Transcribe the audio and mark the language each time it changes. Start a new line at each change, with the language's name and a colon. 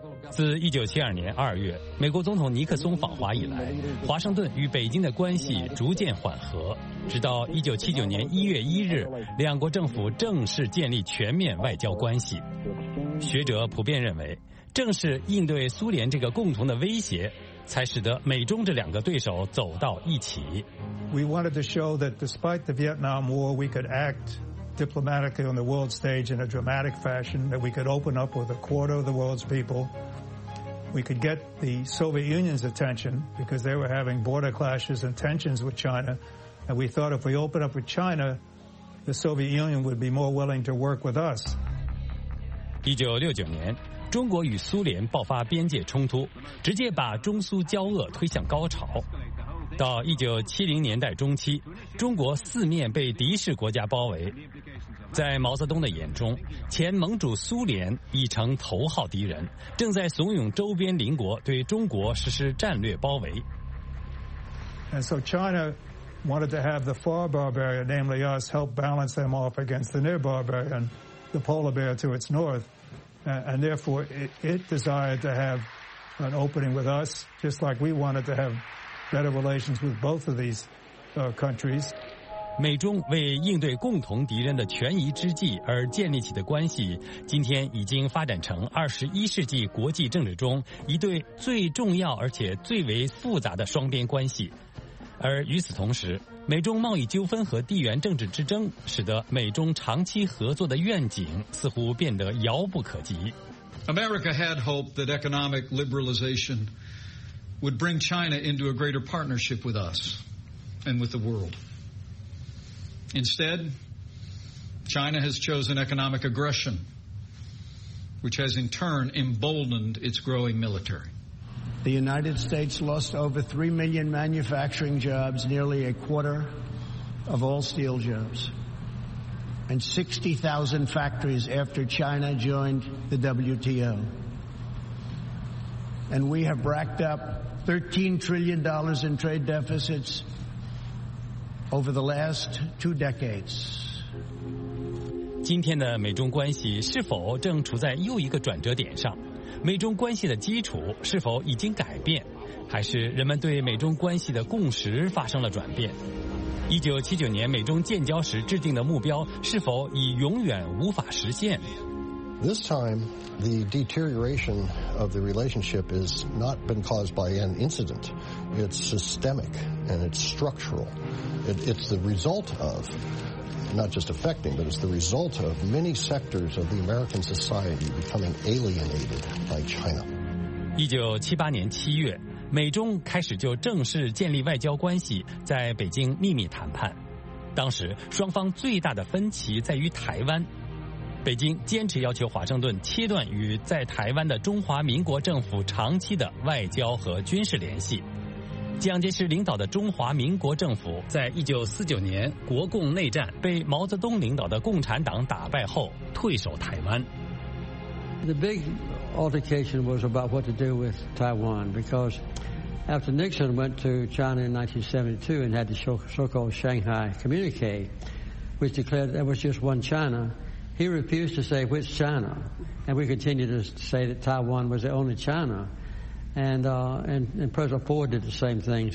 Chinese: 自1972年2月美国总统尼克松访华以来，华盛顿与北京的关系逐渐缓和，直到1979年1月1日两国政府正式建立全面外交关系。学者普遍认为，正是应对苏联这个共同的威胁，才使得美中这两个对手走到一起。
English: We wanted to show that despite the Vietnam War we could act diplomatically on the world stage in a dramatic fashion, that we could open up with a quarter of the world's people. We could get the Soviet Union's attention because they were having border clashes and tensions with China, and we thought if we open up with China the Soviet Union would be more willing to work with us.
Chinese: 1969年中国与苏联爆发边界冲突，直接把中苏交恶推向高潮。到1970年代中期，中国四面被敌视国家包围，在毛泽东的眼中，前盟主苏联已成头号敌人，正在怂恿周边邻国对中国实施战略包围。
English: And so China wanted to have the far barbarian, namely us, help balance them off against the near barbarian, the polar bear to its north, and therefore it desired to have an opening with us, just like we wanted to have better relations with both of these countries.
Chinese: 美中为应对共同敌人的权宜之计而建立起的关系，今天已经发展成21世纪国际政治中一对最重要而且最为复杂的双边关系。而与此同时，美中贸易纠纷和地缘政治之争使得美中长期合作的愿景似乎变得遥不可及。
English: America had hoped that economic liberalization would bring China into a greater partnership with us and with the worldInstead, China has chosen economic aggression, which has in turn emboldened its growing military. The United States lost over 3 million manufacturing jobs, nearly a quarter of all steel jobs, and 60,000 factories after China joined the WTO. And we have racked up $13 trillion in trade deficits. Over the last two decades.
Chinese: 今天的美中关系是否正处在又一个转折点上？美中关系的基础是否已经改变？还是人们对美中关系的共识发生了转变？ 1979年美中建交时制定的目标是否已永远无法实现？
English: This time, the deterioration of the relationship has not been caused by an incident. It's systemic and it's structural. It's the result of, not just affecting, but it's the result of many sectors of the American society becoming alienated by China.
Chinese: 1978年7月，美中开始就正式建立外交关系，在北京秘密谈判。当时双方最大的分歧在于台湾。北京坚持要求华盛顿切断与在台湾的中华民国政府长期的外交和军事联系。蒋介石领导的中华民国政府在1949年国共内战被毛泽东领导的共产党打败后退守台湾。
English: The big altercation was about what to do with Taiwan, because after Nixon went to China in 1972 and had the so-called Shanghai Communique, which declared there was just one China, he refused to say which China, and we continued to say that Taiwan was the only China, and President Ford did the same thing.